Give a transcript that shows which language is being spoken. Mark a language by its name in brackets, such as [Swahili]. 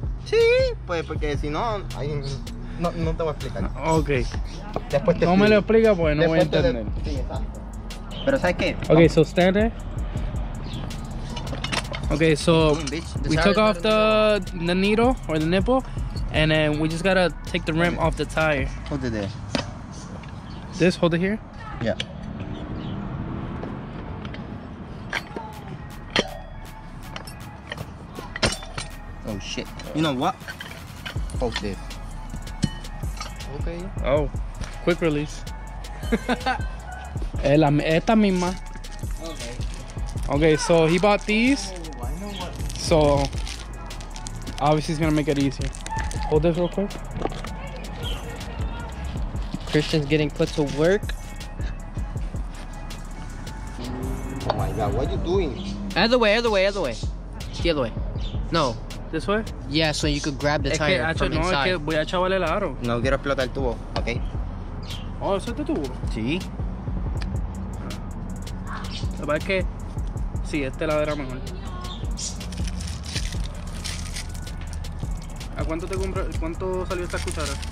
[Spanish] Sí, pues porque si no, ahí no te voy a explicar. Ok. Después te no explico. Me lo explica porque no después voy a entender. Sí, exacto. Pero ¿sabes qué? [English] Ok, [Spanish] vamos. [English] So stand there. Ok, so we took off the needle or the nipple. And then we just gotta take the rim off the tire. Hold it there. This, hold it here? Yeah. Oh shit. You know what? Hold this. Okay. Oh, quick release. [Spanish] Esta misma. Okay, [English] so he bought these. So, obviously it's gonna make it easier. Hold this real quick. Christian's getting put to work. Oh my God, what are you doing? Either way. The other way. No. This way? Yeah, so you could grab the tire from inside. [Spanish] No, es que voy a echarle el aro. No, quiero explotar el tubo, okay? Oh, ¿es este tubo? Sí. La verdad es que, sí, este lado era mejor. ¿A cuánto te compró? ¿Cuánto salió esta cuchara?